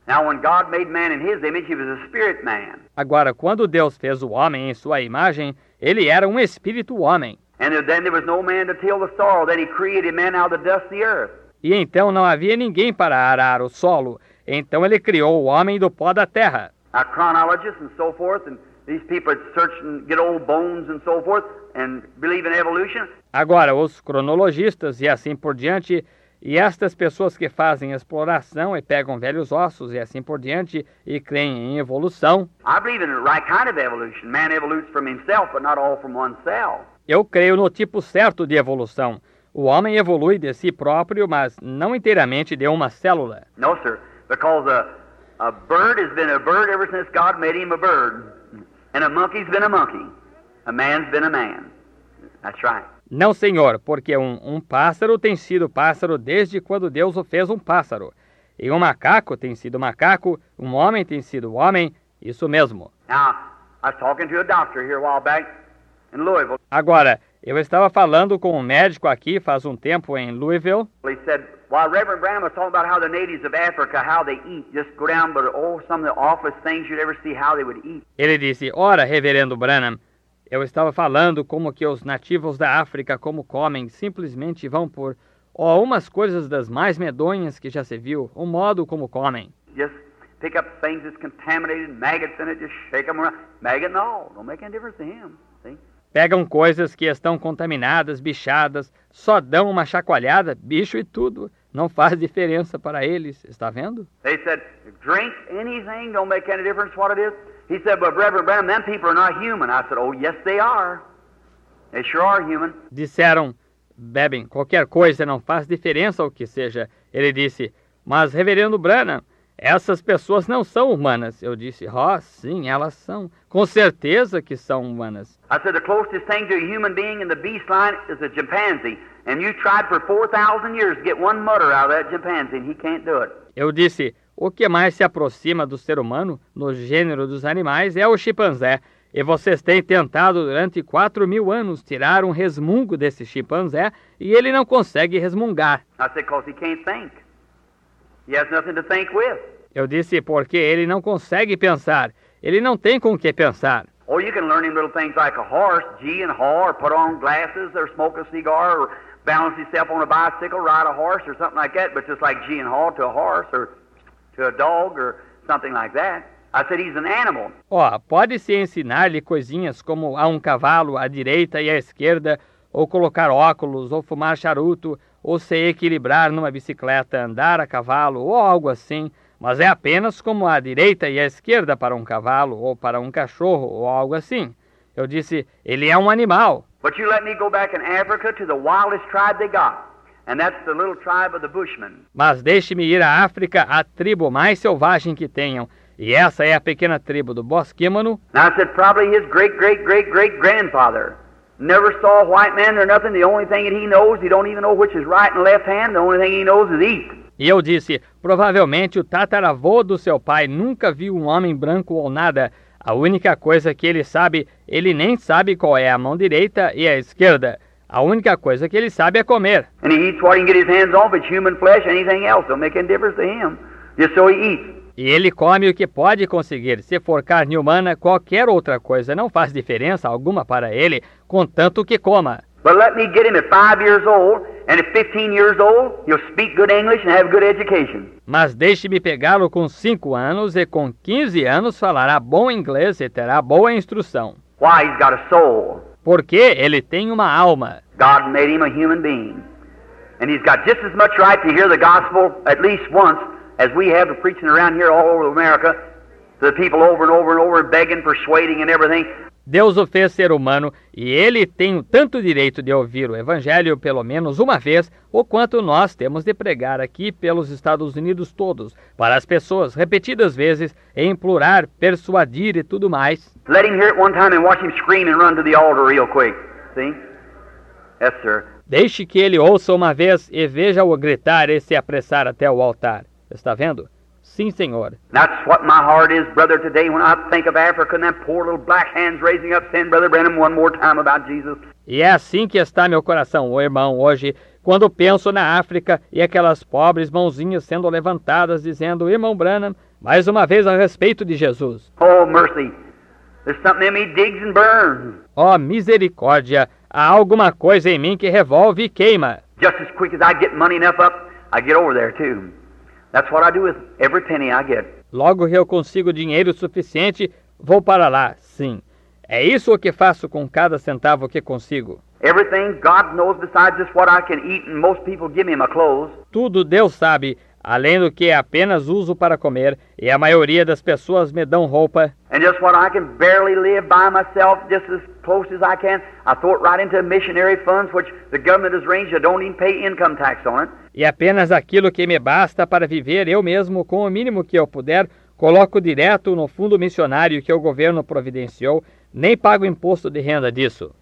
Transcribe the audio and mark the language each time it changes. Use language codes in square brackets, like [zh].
[en] Now, when God made man in his image, he was a spirit man. [pt] Agora, quando Deus fez o homem em sua imagem, ele era um espírito homem. [en] And then there was no man to till the soil, then he created man out of the dust of the earth. [pt] E então não havia ninguém para arar o solo. Então ele criou o homem do pó da terra. [en] A chronologist and so forth, and these people search and get old bones and so forth, and believe in evolution. [pt] Agora, os cronologistas e assim por diante, e estas pessoas que fazem exploração e pegam velhos ossos e assim por diante, e creem em evolução. [en] I believe in the right kind of evolution. Man evolutes from himself, but not all from one cell. [pt] Eu creio no tipo certo de evolução. O homem evolui de si próprio, mas não inteiramente de uma célula. [en] No, sir, because a bird has been a bird ever since God made him a bird. And a monkey's been a monkey. A man's been a man. That's right. [pt] Não, senhor, porque um pássaro tem sido pássaro desde quando Deus o fez um pássaro. E um macaco tem sido macaco, um homem tem sido homem, isso mesmo. [en] Now, I was talking to a doctor here a while back in Louisville. [pt] Agora, eu estava falando com um médico aqui faz um tempo em Louisville. [en] He said, while Reverend Branham was talking about how the natives of Africa, how they eat, just go down, but oh, some of the awfulest things you'd ever see, how they would eat. [pt] Ele disse, ora, Reverendo Branham, eu estava falando como que os nativos da África, como comem, simplesmente vão por umas coisas das mais medonhas que já se viu, o modo como comem. [en] Just pick up things that's contaminated, maggots in it, just shake them around. Maggot and all, don't make any difference to him, see? [pt] Pegam coisas que estão contaminadas, bichadas, só dão uma chacoalhada, bicho e tudo. Não faz diferença para eles, está vendo? [en] They said, drink anything, don't make any difference what it is. He said, but Reverend Branham, them people are not human. I said, oh, yes, they are. They sure are human. [pt] Disseram, bebem qualquer coisa, não faz diferença o que seja. Ele disse, mas Reverendo Branham, essas pessoas não são humanas. Eu disse, oh, sim, elas são. Com certeza que são humanas. [en] I said, the closest thing to a human being in the beast line is a chimpanzee. And you tried for 4,000 years to get one mutter out of that chimpanzee, and he can't do it. [pt] Eu disse, o que mais se aproxima do ser humano, no gênero dos animais, é o chimpanzé. E vocês têm tentado durante 4,000 anos tirar um resmungo desse chimpanzé, e ele não consegue resmungar. [en] I said, because he can't think. He has nothing to think with. [pt] Eu disse, porque ele não consegue pensar. Ele não tem com o que pensar. [en] Or you can learn him little things like a horse, gee and haw, or put on glasses, or smoke a cigar, or balance himself on a bicycle, ride a horse, or something like that, but just like gee and haw to a horse, or to a dog, or something like that. I said, he's an animal. [pt] Pode-se ensinar-lhe coisinhas como a um cavalo, à direita e à esquerda, ou colocar óculos, ou fumar charuto, ou se equilibrar numa bicicleta, andar a cavalo, ou algo assim. Mas é apenas como a direita e a esquerda para um cavalo, ou para um cachorro, ou algo assim. Eu disse, ele é um animal. [en] But you let me go back in Africa to the wildest tribe they got. And that's the little tribe of the Bushmen. [pt] Mas deixe-me ir à África, a tribo mais selvagem que tenham. E essa é a pequena tribo do Bosquímano. [en] Now I said, probably his great-great-great-great-grandfather never saw a white man or nothing. The only thing that he knows, he don't even know which is right and left hand. The only thing he knows is eat. [pt] E eu disse, provavelmente o tataravô do seu pai nunca viu um homem branco ou nada. A única coisa que ele sabe, ele nem sabe qual é a mão direita e a esquerda. A única coisa que ele sabe é comer. [en] And he eats what he can get his hands on, it's human flesh, anything else. Don't make any difference to him. Just so he eats. [pt] E ele come o que pode conseguir. Se for carne humana, qualquer outra coisa não faz diferença alguma para ele, contanto que coma. [en] But let me get him at 5 years old, and at 15 years old, he'll speak good English and have good education. [pt] Mas deixe-me pegá-lo com 5 anos, e com 15 anos falará bom inglês e terá boa instrução. [en] Why? He's got a soul. [pt] Porque ele tem uma alma. [en] God made him a human being. And he's got just as much right to hear the gospel at least once as we have to preaching around here all over America to the people over and over and over, begging, persuading and everything. [pt] Deus o fez ser humano e ele tem o tanto direito de ouvir o evangelho pelo menos uma vez o quanto nós temos de pregar aqui pelos Estados Unidos todos para as pessoas repetidas vezes em implorar, persuadir e tudo mais. [en] Let him hear it one time and watch him scream and run to the altar real quick. See? Yes, sir. [pt] Deixe que ele ouça uma vez e veja-o gritar e se apressar até o altar. Está vendo? Sim, senhor. [en] That's what my heart is, brother, today when I think of Africa and that poor little black hands raising up saying, Brother Branham, one more time about Jesus. [pt] E é assim que está meu coração, irmão, hoje, quando penso na África e aquelas pobres mãozinhas sendo levantadas dizendo, Irmão Branham, mais uma vez a respeito de Jesus. [en] Oh, mercy. There's something in me digs and burns. [pt] Oh, misericórdia. Há alguma coisa em mim que revolve e queima. [en] Just as quick as I get money enough up, I get over there too. That's what I do with every penny I get. [pt] Logo que eu consigo dinheiro suficiente, vou para lá, sim. É isso o que faço com cada centavo que consigo. [en] Everything God knows besides just what I can eat and most people give me my clothes. [pt] Tudo Deus sabe, além do que apenas uso para comer, e a maioria das pessoas me dão roupa. [en] And just what I can barely live by myself, just as close as I can, I throw it right into missionary funds, which the government has arranged, I don't even pay income tax on it. [pt] E apenas aquilo que me basta para viver eu mesmo com o mínimo que eu puder, coloco direto no fundo missionário que o governo providenciou, nem pago imposto de renda disso.